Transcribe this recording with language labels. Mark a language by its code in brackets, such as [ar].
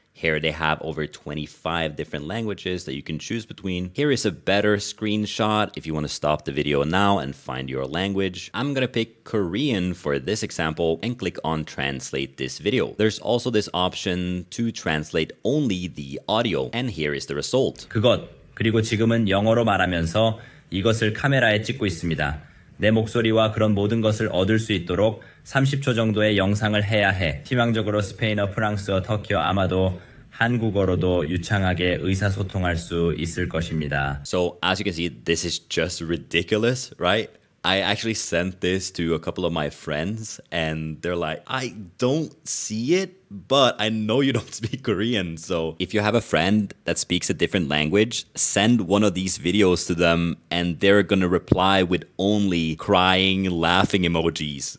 [en] Here they have over 25 different languages that you can choose between. Here is a better screenshot if you want to stop the video now and find your language. I'm going to pick Korean for this example and click on translate this video. There's also this option to translate only the audio. And here is the result. [ko] 그것, 그리고 지금은 영어로 말하면서 이것을 카메라에 찍고 있습니다. 내 목소리와 그런 모든 것을 얻을 수 있도록 30초 정도의 영상을 해야 해. 희망적으로 스페인어, 프랑스어, 터키어 아마도 한국어로도 유창하게 의사소통할 수 있을 것입니다. [en] So as you can see, this is just ridiculous, right? I actually sent this to a couple of my friends and they're like, I don't see it, but I know you don't speak Korean. So if you have a friend that speaks a different language, send one of these videos to them and they're gonna reply with only crying, laughing emojis.